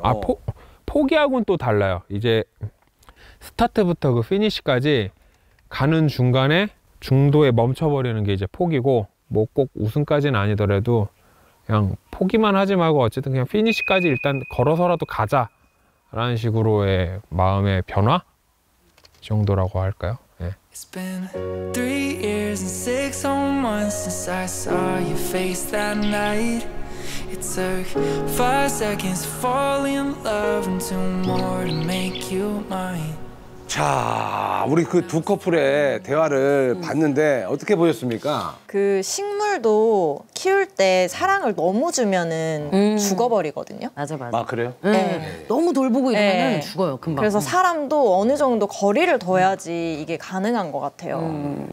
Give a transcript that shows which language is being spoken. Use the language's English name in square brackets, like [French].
[Korean] 아, 포기하고는 또 달라요. 이제 스타트부터 그 피니시까지 가는 중간에 중도에 멈춰버리는 게 이제 포기고, 뭐 꼭 우승까지는 아니더라도 그냥 포기만 하지 말고 어쨌든 그냥 피니시까지 일단 걸어서라도 가자 라는 식으로의 마음의 변화 정도라고 할까요? [English] It's been 3 years and 6 whole months since I saw your face that night. It took 5 seconds to fall in love and 2 more to make you mine. [Korean] 자, 우리 그 두 커플의 대화를 봤는데 어떻게 보셨습니까? 그 식물도 키울 때 사랑을 너무 주면은 죽어버리거든요. 맞아, 맞아. 아, 그래요? 네. 너무 돌보고 이러면은 네. 죽어요, 금방. 그래서 사람도 어느 정도 거리를 둬야지 이게 가능한 것 같아요.